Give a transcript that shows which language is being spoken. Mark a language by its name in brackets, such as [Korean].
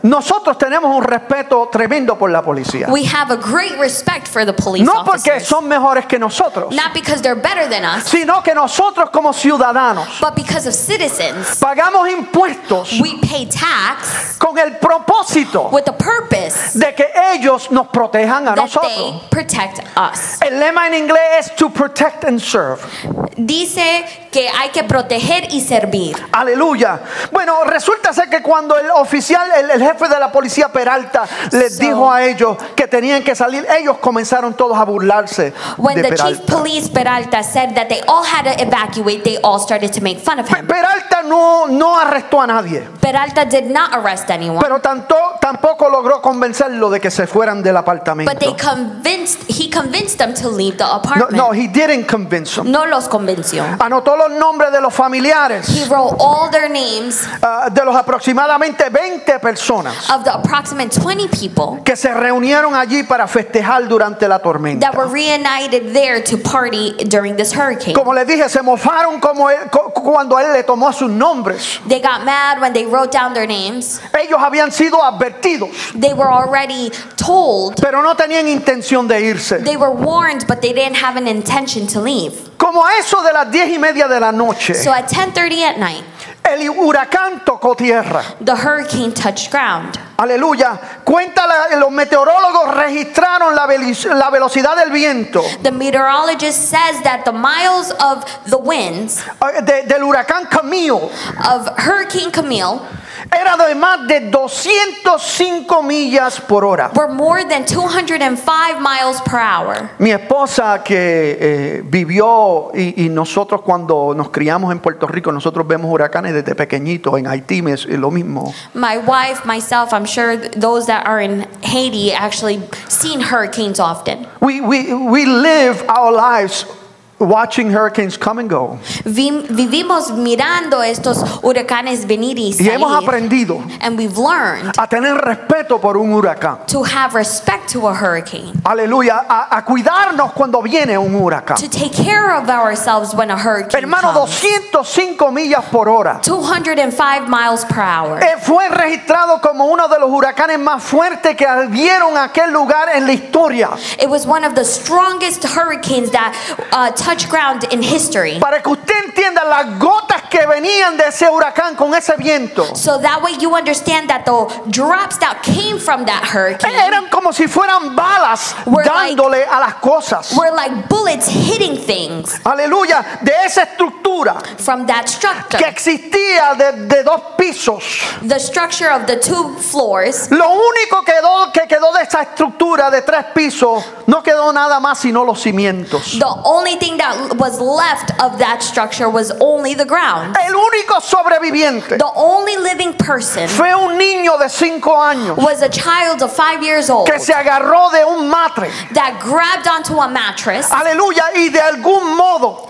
[Spanish] Nosotros tenemos un respeto tremendo por la policía. [English] We have a great respect for the police officers. [Spanish] No porque son mejores que nosotros. [English] Not because they're better than us. [Spanish] Sino que nosotros como ciudadanos. [English] But because of citizens. [Spanish] Pagamos impuestos. [English] We pay tax. [Spanish] Con el propósito. [English] With the purpose. [Spanish] De que ellos nos protejan a nosotros. [English] That they protect us. [Spanish] El lema en inglés es [English] to protect and serve. [Spanish] Dice que hay que proteger y servir. Aleluya. Bueno, resulta ser que cuando el oficial, el jefe de la policía Peralta, les dijo a ellos que tenían que salir, ellos comenzaron todos a burlarse de Peralta. [English] When the chief police Peralta said that they all had to evacuate, they all started to make fun of him. [Spanish] Peralta no arrestó a nadie. [English] Peralta did not arrest anyone. [Spanish] Pero tampoco logró convencerlo de que se fueran del apartamento. [English] But he convinced them to leave the apartment. No, he didn't convince them. [Spanish] No los convenció. Anotó los nombres de los familiares. [English] He wrote all their names. [Spanish] De los aproximadamente 20 personas. [English] Of the approximate 20 people. [Spanish] Que se reunieron allí para festejar durante la tormenta. [English] That were reunited there to party during this hurricane. [Spanish] Como les dije, se mofaron cuando él le tomó sus nombres. [English] They got mad when they wrote down their names. [Spanish] Ellos habían sido advertidos. [English] They were already told. [Spanish] Pero no tenían intención de irse. [English] They were warned, but they didn't have an intention to leave. [Spanish] Como a eso de las 10:30 de la noche. [English] So at 10:30 at night. [Spanish] El huracán tocó tierra. [English] The hurricane touched ground. [Spanish] Aleluya. Los meteorólogos registraron la velocidad del viento. [English] The meteorologist says that the miles of the winds. [Spanish] Del huracán Camille. [English] Of Hurricane Camille. [Spanish] Era de más de 205 millas por hora. [English] Were more than 205 miles per hour. [Spanish] Mi esposa que vivió y nosotros cuando nos criamos en Puerto Rico, nosotros vemos huracanes desde pequeñitos. En Haití es lo mismo. [English] My wife, myself, I'm sure those that are in Haiti actually seen hurricanes often. We live our lives watching hurricanes come and go. [Spanish] Vivimos mirando estos huracanes venir y salir. Y hemos aprendido. [English] And we've learned. [Spanish] A tener respeto por un huracán. [English] To have respect to a hurricane. [Spanish] Aleluya. A cuidarnos cuando viene un huracán. [English] To take care of ourselves when a hurricane [Spanish] Hermano, [English] comes. [Spanish] Hermano, 205 millas por hora. [English] 205 miles per hour. [Spanish] Fue registrado como uno de los huracanes más fuertes que vieron aquel lugar en la historia. [English] It was one of the strongest hurricanes that touch ground in history. [Spanish] Para que usted entienda las gotas que venían de ese huracán con ese viento. [English] So that way you understand that the drops that came from that hurricane [Spanish] eran como si fueran balas dándole a las cosas. [English] Were like bullets hitting things. [Spanish] Aleluya, de esa estructura. [English] From that structure. [Spanish] Que existía de dos pisos. [English] The structure of the two floors. [Spanish] Lo único que quedó de esa estructura de tres pisos, no quedó nada más sino los cimientos. [English] The only thing that was left of that structure was only the ground. [Spanish] El único sobreviviente. [English] The only living person. [Spanish] Fue un niño de 5 años. [English] Was a child of 5 years old. [Spanish] Que se agarró de un mattress. [English] That grabbed onto a mattress. [Spanish] Aleluya, y de algún modo.